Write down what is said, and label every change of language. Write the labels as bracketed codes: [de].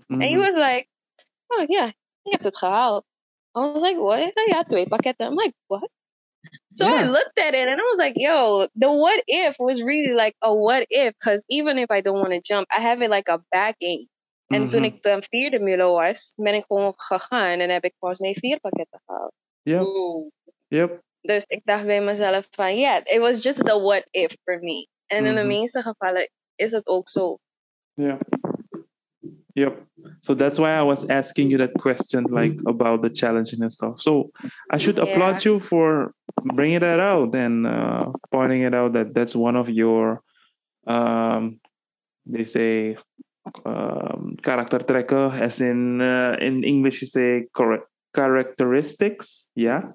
[en] And he was like, oh ja, yeah, [nl] je hebt het gehaald. [en] I was like, what? Like, [nl] ja, twee pakketten. [en] I'm like, what? So yeah. I looked at it and I was like, yo, the what if was really like a what if. Because even if I don't want to jump, I have it like a backing. En mm-hmm. [nl] toen ik de vierde Milo was, ben ik gewoon gegaan en heb ik volgens mij vier pakketten gehaald. [en] Yep. Yep. [nl] Dus ik dacht bij mezelf van, [en] yeah, it was just the what if for me. [nl] En mm-hmm. in de meeste gevallen is het ook zo. [en] Yeah. Yep. So that's why I was asking you that question, like, mm-hmm. about the challenge and stuff. So I should applaud you for bringing that out and pointing it out that that's one of your, they say, character trekken, as in English you say characteristics, yeah?